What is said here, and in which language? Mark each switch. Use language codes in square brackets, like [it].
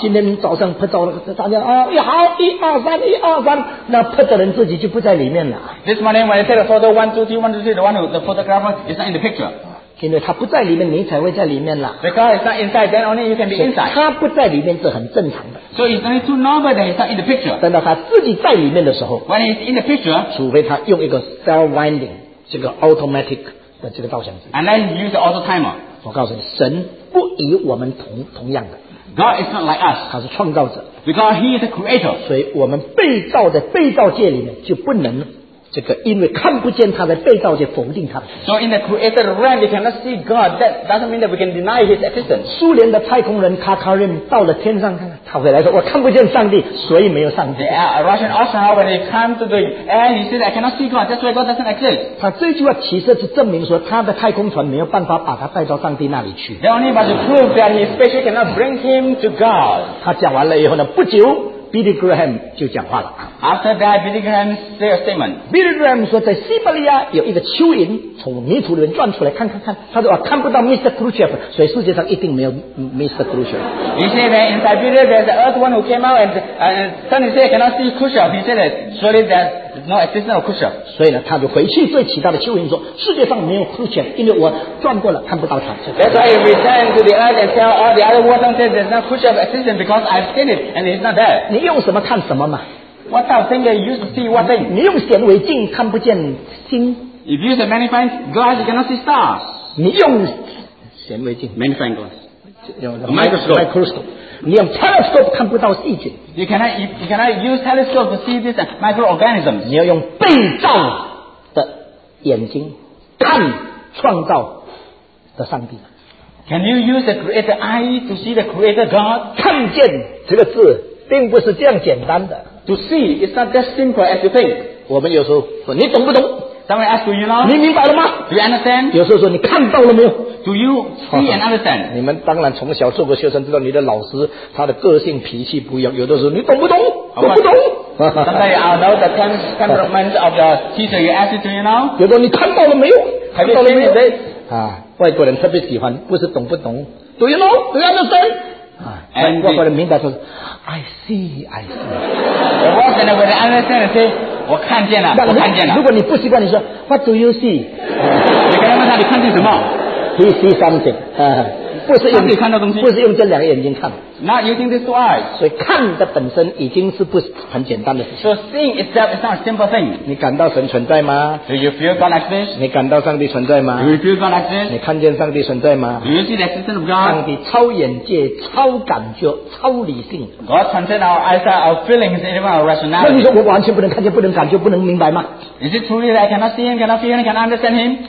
[zh] 今天早上拍照了,大家,哦,一好,一二三,一二三,那拍的人自己就不在里面了。 [en] This morning when I said a photo, 1, 2, 3, 1, 2, 3, the one who, the photographer is not in the picture. [zh] 因为他不在里面，你才会在里面了。 [en] Because it's not inside, then only you can be inside. [zh] 他不在里面是很正常的。 [en] So it's only too normal that he's not in the picture. [zh] 等到他自己在里面的时候 [en] ，When he's in the picture, [zh] 除非他用一个 self-winding 这个 automatic 的这个照相机。 [en] Unless he uses auto timer. [zh] 我告诉你，神不与我们同样的。 [en] God is not like us. [zh] 他是创造者。 [en] Because he is a creator. [zh] 所以我们被造在被造界里面就不能。这个因为看不见他的被造就否定他的。 [en] So in the created realm, we cannot see God. That doesn't mean that we can deny His existence. [zh] 苏联的太空人卡卡林到了天上，他回来说：“我看不见上帝，所以没有上帝。 [en] ”A Russian astronaut when he comes to the air, he says, "I cannot see God. That's why God doesn't exist." [zh] 他这句话其实是证明说他的太空船没有办法把他带到上帝那里去。 [en] The only way to prove that his spaceship cannot bring him to God. [zh] 他讲完了以后呢，不久。 Billy Graham 就讲话了。 [en] After that, Billy Graham say a statement. [zh] Billy Graham 说，在西伯利亚有一个蚯蚓从泥土里面转出来，看。他说，看不到 Mr. Khrushchev， 所以世界上一定没有 Mr. Khrushchev。 [en] He said that in Siberia there's an earth one who came out and suddenly say cannot see Khrushchev. He said that surely that no existence of Khrushchev. [zh] 所以呢，他就回去对其他的蚯蚓说，世界上没有 Khrushchev， 因为我转过了看不到他。 [en] That's why he returned to the earth and tell all the other world and said there's no Khrushchev existence because I've seen it and it's not there. [zh] 你用什么看什么嘛 [en] ？What type of thing you use to see what thing？ [zh] 你用显微镜看不见星。 [en] If you use a magnifying glass, you cannot see stars. [zh] 你用显微镜 [en] ，magnifying glass， [zh] 用 microscope， 你用 telescope 看不到细菌。 [en] You cannot use telescope to see these microorganisms. [zh] 你要用被造的眼睛看创造的上帝。 [en] Can you use the creator eye to see the creator God？ [zh] 看见这个字。并不是这样简单的。 [en] To see, it's not that simple as you think. [zh] 我们有时候说你懂不懂 [en] ？Someone ask you now. [zh] 你明白了吗 [en] ？Do you understand? [zh] 有时候说你看到了没有 [en] ？Do you see and understand? [zh] 你们当然从小做过学生，知道你的老师他的个性脾气不一样。有的时候你懂不懂？我不懂。 [en] Sometimes I know the temperament of the teacher. You ask it to you now. [zh] 有的你看到了没有 [en] ？Have you seen it? [zh] 啊，外国人特别喜欢，不是懂不懂 ？ [en] Do you know? Do you understand? [zh] 啊，外国人明白说。 [en] I see. [zh] 我现在我的 understand 是，我看见了，我看见了。如果你不习惯，你说 [en] What do you see？ [zh] 你刚刚问他你看见什么 [en] ？He sees something。 [zh] 不是用看到东西，不是用这两个眼睛看。 [en] Not using these two eyes。 [zh] 所以看的本身已经是不很简单的事情。 [en] So seeing itself is not a simple thing。 [zh] 你感到神存在吗 [en] ？Do you feel God exists？ [zh] 你感到上帝存在吗 [en] ？Do you feel God exists？ [zh] 你看见上帝存在吗 [en] ？Do you see the existence of God？ [zh] 上帝超眼界、超感觉、超理性。 [en] God transcends our eyesight, our feelings, even our rationality。 [zh] 那你说我完全不能看见、不能感觉、不能明白吗 [en] ？Is it truly that I cannot see Him, cannot feel Him, cannot understand Him？